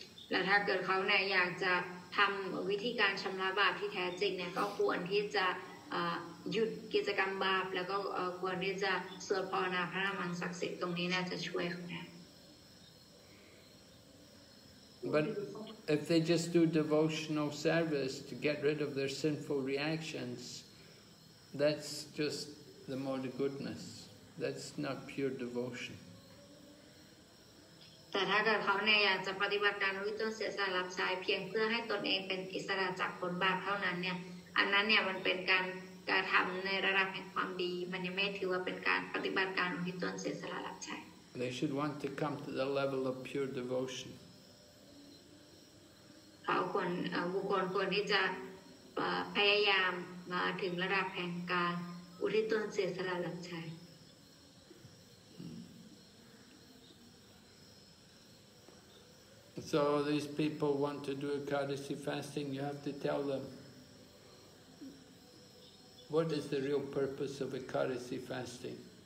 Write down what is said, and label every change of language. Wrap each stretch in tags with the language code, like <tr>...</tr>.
<th>และถ้าเกิดเขาเนี่ยอยากจะทำวิธีการชำระบาปที่แท้จริงเนี่ยก็ควรที่จะหยุดกิจกรรมบาปแล้วก็ควรที่จะสวดภาวนาพระนามศักดิ์สิทธิ์ตรงนี้น่าจะช่วยคุณนะ</th> <en>But if they just do devotional service to get rid of their sinful reactions, that's just the mode of goodness. That's not pure devotion.</en> <th>แต่ถ้าเกิดเขาเนี่ยอยากจะปฏิบัติการวิจารณ์เสียสารับใช้เพียงเพื่อให้ตนเองเป็นอิสระจากผลบาปเท่านั้นเนี่ยอันนั้นเนี่ยมันเป็นการกระทำในระดับแห่งความดีมันยังไม่ถือว่าเป็นการปฏิบัติการอุทิศตนเสียสละรับใช้</th> <en>They should want to come to the level of pure devotion</en> <th>เขาควรบุคคลควรที่จะพยายามมาถึงระดับแห่งการอุทิศตนเสียสละรับใช้</th> <en>So these people want to do ekadasi fasting you have to tell themWhat is the real purpose of ekadasi fasting?</en>